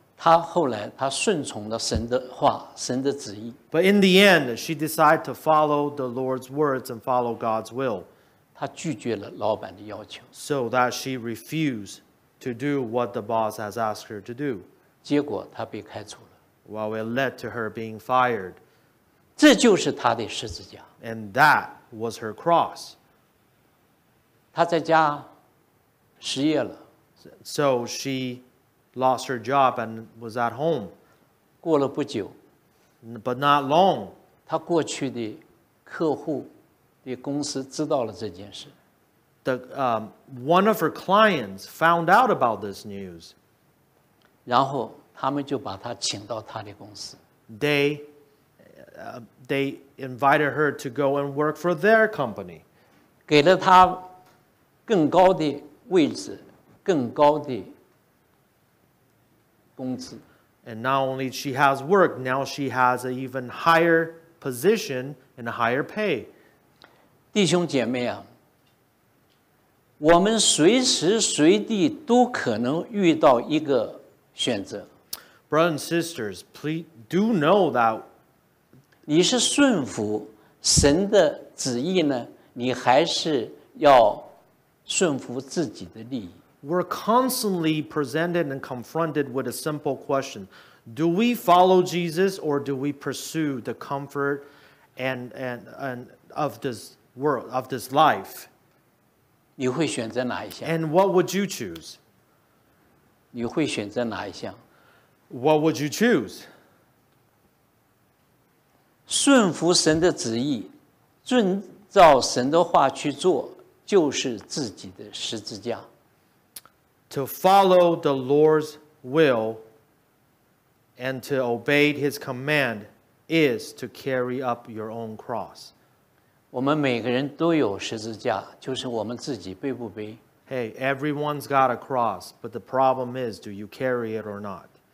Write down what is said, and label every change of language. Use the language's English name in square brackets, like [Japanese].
[Chinese] 她后来她顺从了神的话，神的旨意。 [English] But in the end, she decided to follow the Lord's words and follow God's will. [Chinese] 他拒绝了老板的要求。 [English] So that she refused to do what the boss has asked her to do. [Chinese] 结果他被开除了。 [English] While it led to her being fired. [Chinese] 这就是他的十字架。 [English] And that was her cross. [Chinese] 他在家失业了。 [English] So she lost her job and was at home. [Chinese] 过了不久。 [English] But not long. [Chinese] 他过去的客户的公司知道了这件事。 [English] One of her clients found out about this news. [Chinese] 然后他们就把她请到她的公司。 [English] They invited her to go and work for their company. [Chinese] 给了她更高的位置，更高的工资。 [English] And not only she has work, now she has an even higher position and a higher pay. [Chinese] 弟兄姐妹啊，我们随时随地都可能遇到一个选择。 [English] Brothers and sisters, please do know that [Chinese] 你是顺服神的旨意呢，你还是要顺服自己的利益。 [English] We're constantly presented and confronted with a simple question: Do we follow Jesus or do we pursue the comfort and of this? World of this life, [Chinese] 你会选择哪一项? [English] And what would you choose? [Chinese] 你会选择哪一项? [English] What would you choose? [Chinese] 顺服神的旨意，遵照神的话去做，就是自己的十字架。 [English] To follow the Lord's will and to obey His command is to carry up your own cross. [Chinese] 我们每个人都有十字架，就是我们自己背不背。 [English] Hey, everyone's got a cross, but the problem is, do you carry it or not?